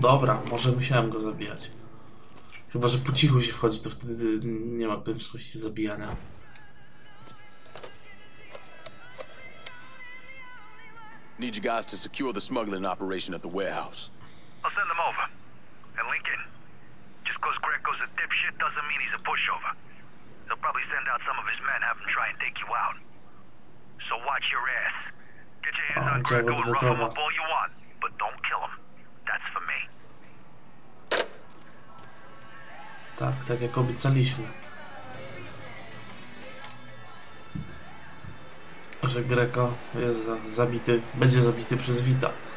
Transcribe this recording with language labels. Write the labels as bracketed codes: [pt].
[pl] Dobra, może musiałem go zabijać. Chyba że po cichu się wchodzi, to wtedy nie ma konieczności zabijania. [en] Need you guys to secure the smuggling operation at the warehouse. I'll send them over. And Lincoln, just cause Greco's a dipshit doesn't mean he's a pushover. He'll probably send out some of his men, have them try and take you out. So watch your ass. Get your hands on Greco and rough him up all you want, but don't kill him. That's for me. [pl] Tak, tak jak obiecaliśmy. Że Greco jest zabity, będzie zabity przez Vita.